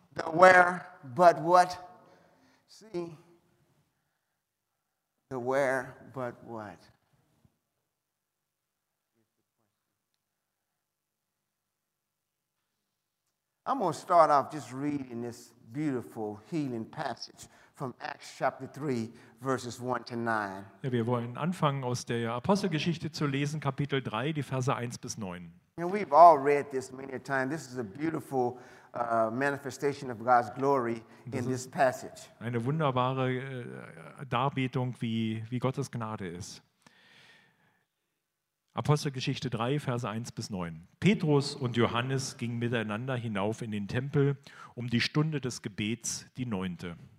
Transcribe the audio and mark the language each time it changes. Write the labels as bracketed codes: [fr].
[en] The where, but what? See, the where, but what? I'm going to start off just reading this beautiful healing passage from Acts chapter 3, verses 1 to 9. [de] Ja, wir wollen anfangen, aus der Apostelgeschichte zu lesen, Kapitel 3, die Verse 1 bis 9. [en] And we've all read this many times. This is a beautiful manifestation of God's glory in this passage. [de] Eine wunderbare Darbietung, wie Gottes Gnade ist. Apostelgeschichte 3, Verse 1 bis 9. Petrus und Johannes gingen miteinander hinauf in den Tempel um die Stunde des Gebets, die neunte.